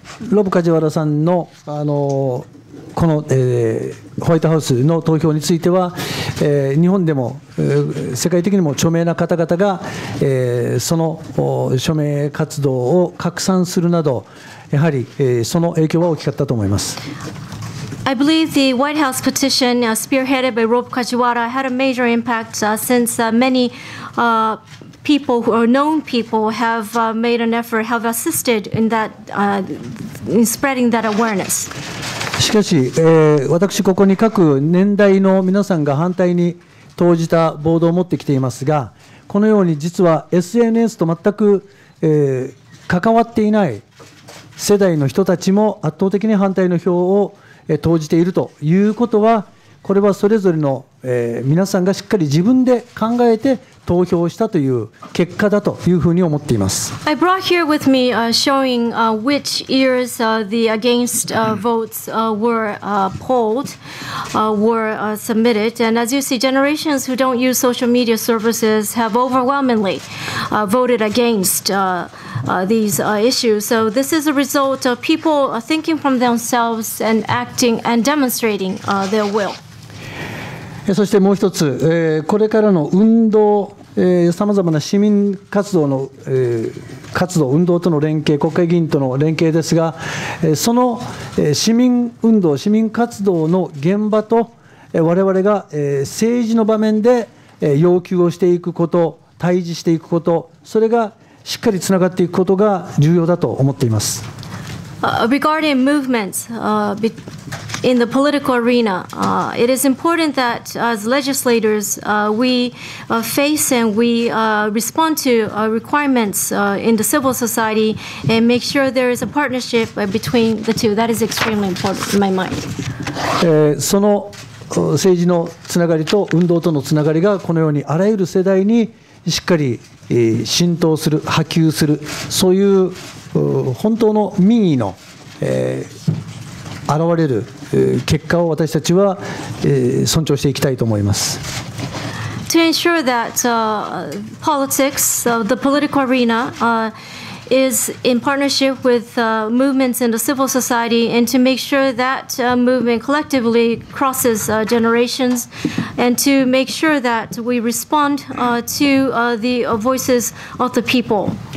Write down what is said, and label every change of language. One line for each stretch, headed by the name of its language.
Japanese: ロブ・カジワラさんの、この、ホワイトハウスの投票については、日本でも、世界的にも著名な方々が、その署名活動を拡散するなど、やはり、その影響は大きかったと思います。
English: I believe the White House petition spearheaded by Rob Kajiwara had a major impact since many people who are known people have made an effort, have assisted in that, in spreading that awareness.
Japanese: しかし、私ここに各年代の皆さんが反対に投じたボードを持ってきていますが、このように実は SNS と全く、関わっていない世代の人たちも圧倒的に反対の票を、投じているということは、これはそれぞれの、皆さんがしっかり自分で考えて投票したという結果だというふうに思っています。
English: I brought here with me showing which years the against votes were polled, were submitted. And as you see, generations who don't use social media services have overwhelmingly voted against these issues. So this is a result of people thinking from themselves and acting and demonstrating their will.
Japanese: そしてもう一つ、これからの運動、さまざまな市民活動の、活動、運動との連携、国会議員との連携ですが、その市民運動、市民活動の現場と、われわれが政治の場面で要求をしていくこと、対峙していくこと、それがしっかりつながっていくことが重要だと思っています。
English: Regarding movements in the political arena, it is important that as legislators we face and we respond to requirements in the civil society and make sure there is a partnership between the two. That is extremely important in my mind.
Japanese: その政治のつながりと運動とのつながりがこのようにあらゆる世代にしっかり浸透する、波及する、そういう本当の民意の現れる結果を私たちは尊重していきたいと思います。
English: To ensure that politics, the political arena, is in partnership with movements in the civil society, and to make sure that movement collectively crosses generations, and to make sure that we respond to the voices of the people.